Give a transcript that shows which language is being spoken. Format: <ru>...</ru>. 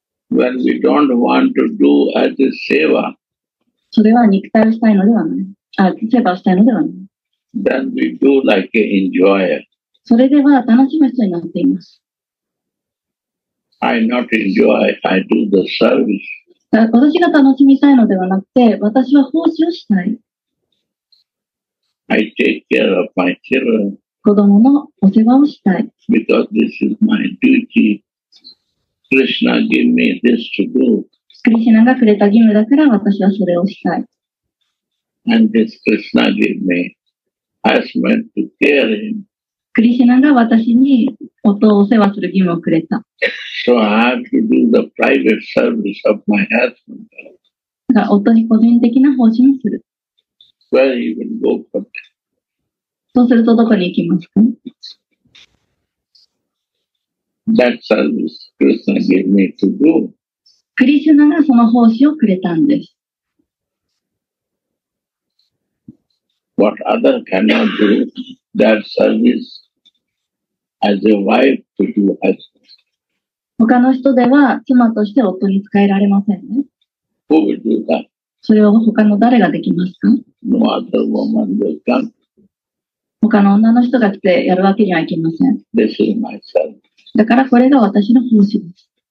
<en>When we don't want to do as a seva.</en> <ja>それは肉体をしたいのではない。セバをしたいのではない。</ja> <en>Then we do like an enjoyer.</en> <ja>それでは楽しむ人になっています。</ja> <en>I not enjoy, I do the service.</en> <ja>私が楽しみたいのではなくて、私は奉仕をしたい。</ja> <en>I take care of my children.</en> <ja>子供のお世話をしたい。</ja> <en>Because this is my duty. Krishna gave me this to do.</en> <ja>クリシナがくれた義務だから私はそれをしたい。</ja> <en>And this Krishna gave me as meant to care him.</en> <ja>クリシナが私に夫をお世話する義務をくれた。</ja> <en>So I have to do the private service of my husband.</en> <ja>だから夫に個人的な奉仕をする。</ja> <en>Where you will go for that?</en> <ja>そうするとどこに行きますか?</ja> <en>That service Krishna gave me to do.</en> <ja>クリシュナがその奉仕をくれたんです。</ja> <en>What other cannot do that service as a wife to do as?</en> <ja>他の人では妻として夫に使えられませんね。</ja> <en>Who will do that?</en> <ja>それを他の誰ができますか</ja> <en>?No other woman will come.</en> <ja>他の女の人が来てやるわけにはいきません。</ja> <en>This is my service.</en> <ja>だからこれが私の奉仕です。</ja>